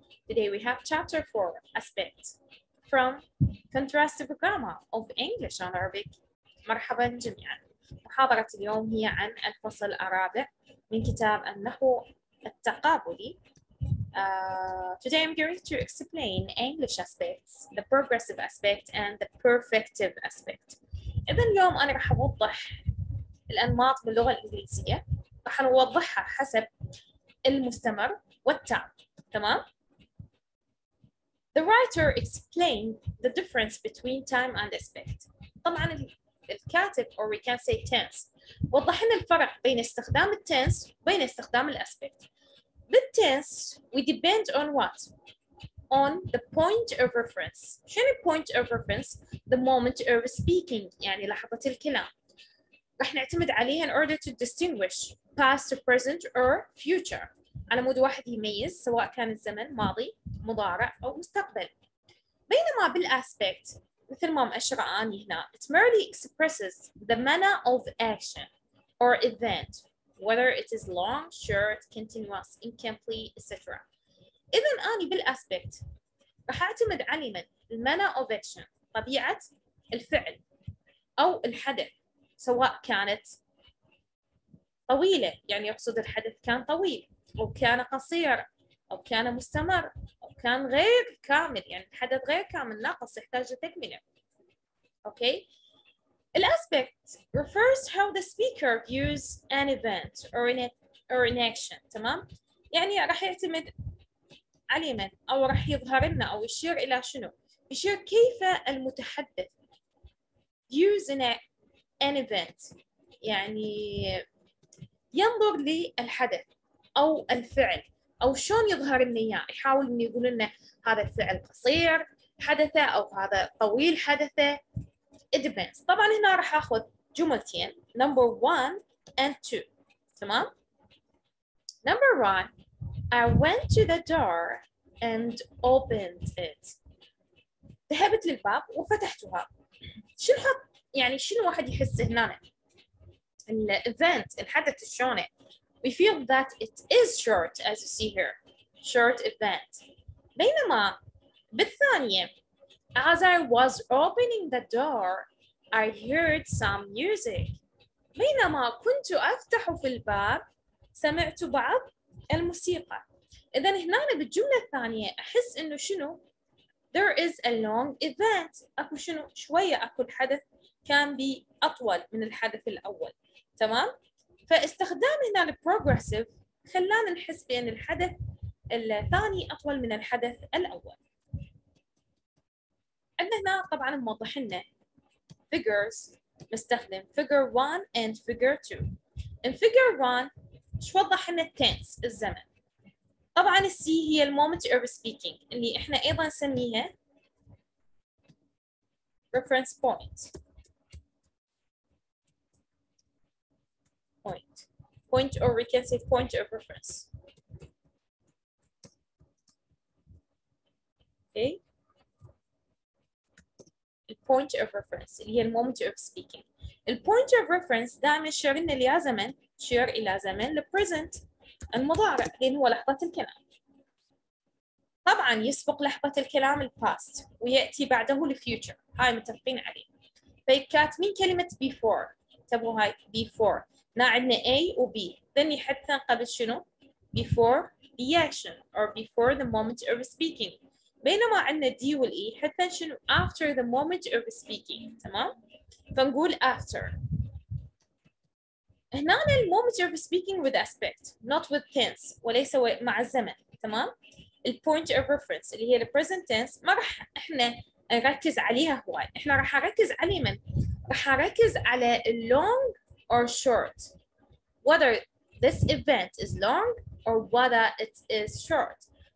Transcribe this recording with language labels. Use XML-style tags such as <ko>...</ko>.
<en>Today we have chapter 4, Aspect, from Contrastive Grammar of English and Arabic.</en> <ar>مرحبا جميعا. محاضرة اليوم هي عن الفصل الرابع من كتاب النحو التقابلي.</ar> <en>Today I'm going to explain English aspects, the progressive aspect and the perfective aspect.</en> <ar>إذا اليوم أنا رح أوضح الأنماط باللغة الإنجليزية. رح نوضحها حسب المستمر والتام.</ar> <en>تمام؟ The writer explained the difference between time and aspect.</en> <ar>طبعا الكاتب</ar> <en>or we can say tense.</en> <ar>وضحنا الفرق بين استخدام التنس وبين استخدام الاسبكت.</ar> <en>The tense we depend on what? On the point of reference. شنو point of reference? The moment of speaking</en> <ar>يعني لحظة الكلام. رح نعتمد عليها</ar> <en>in order to distinguish past, present or future.</en> <ar>على مود واحد يميز سواء كان الزمن ماضي مضارع أو مستقبل. بينما بالأسبكت مثل ما مأشر أني هنا</ar> <en>it merely expresses the manner of action or event whether it is long, short, continuous, incomplete, etc.</en> <ar>إذا أني بالأسبكت رح أعتمد على من</ar> <en>manner of action</en> <ar>طبيعة الفعل أو الحدث سواء كانت طويلة يعني يقصد الحدث كان طويل أو كان قصير أو كان مستمر أو كان غير كامل يعني الحدث غير كامل ناقص يحتاج تكملة.</ar> <en>Okay. The aspect refers how the speaker views an event or an action.</en> <ar>تمام؟ يعني راح يعتمد علما أو راح يظهر لنا أو يشير إلى شنو؟ يشير كيف المتحدث</ar> <en>views an event</en> <ar>يعني ينظر للحدث أو الفعل أو شلون يظهر لنا إياه، يحاول إنه يقول لنا هذا الفعل قصير حدثة أو هذا طويل حدثة.</ar> <en>It depends.</en> <ar>طبعاً هنا راح آخذ جملتين</ar> <en>number one and two. تمام؟ number one I went to the door and opened it.</en> <ar>ذهبت للباب وفتحتها. شنو حط يعني شنو واحد يحس هنا؟</ar> <en>ال event</en> <ar>الحدث شلون؟</ar> <en>We feel that it is short, as you see here, short event.</en> <ar>بينما بالثانية,</ar> <en>as I was opening the door, I heard some music.</en> <ar>بينما كنت أفتح في الباب, سمعت بعض الموسيقى. إذن هنا بالجملة الثانية أحس إنه شنو?</ar> <en>There is a long event.</en> <ar>أكو شنو? شوية أكو الحدث كان بي أطول من الحدث الأول. تمام? فاستخدام هنا البروجريسيف خلانا نحس بان الحدث الثاني اطول من الحدث الاول. عندنا هنا طبعا موضح لنا figures مستخدم</ar> <en>figure 1 and figure 2. In figure 1</en> <ar>شو وضح لنا التنس الزمن. طبعا السي هي المومنت اوف سبيكينج اللي احنا ايضا نسميها</ar> <en>reference point. Point or we can say point of reference. Okay. Point of reference.</en> <ar>اللي هي</ar> <en>moment of speaking.</en> <ar>Point of reference دائما يشير لنا إلى زمن، يشير إلى زمن present المضارع اللي هو لحظة الكلام. طبعا يسبق لحظة الكلام past ويأتي بعده future. هاي متفقين عليه. فيكات من كلمة before. تبوا هاي before. نا عندنا A و B. ثاني حتى قبل شنو؟</ar> <en>Before the action or before the moment of speaking.</en> <ar>بينما عندنا D و E حتى شنو؟</ar> <en>After the moment of speaking.</en> <ar>تمام؟ فنقول after.</ar> <en>هنا عندنا the moment of speaking with aspect, not with tense.</en> <ar>وليس مع الزمن. تمام؟</ar> <en>The point of reference</en> <ar>اللي هي</ar> <en>the present tense</en> <ar>ما رح احنا نركز عليها هواي. احنا رح نركز على</ar> <en>من؟ رح نركز على long or short, whether this event is long or whether it is short.</en>